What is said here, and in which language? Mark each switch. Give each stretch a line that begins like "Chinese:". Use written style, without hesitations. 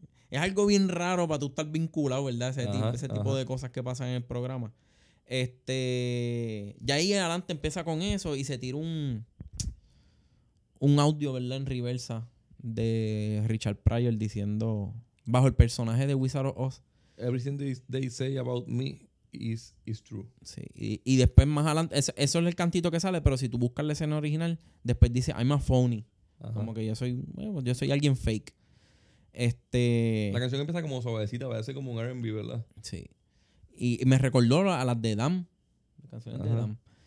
Spanish: es algo bien raro para tú estar vinculado, ¿verdad? Ese tipo de cosas que pasan en el programa. Este, y ahí adelante empieza con eso y se tira un audio, ¿verdad?, en reversa de Richard Pryor diciendo, bajo el personaje de Wizard of Oz,
English: "Everything they say about me is true".
Spanish: Sí. Y después más adelante, eso es el cantito que sale, pero si tú buscas la escena original, después dice,
English: "I'm a phony".
Spanish: Ajá. Como que yo soy alguien fake. Este, la canción empieza como suavecita, parece como un R&B, ¿verdad? Sí. Y me recordó a las de Dam. La canción de Dam.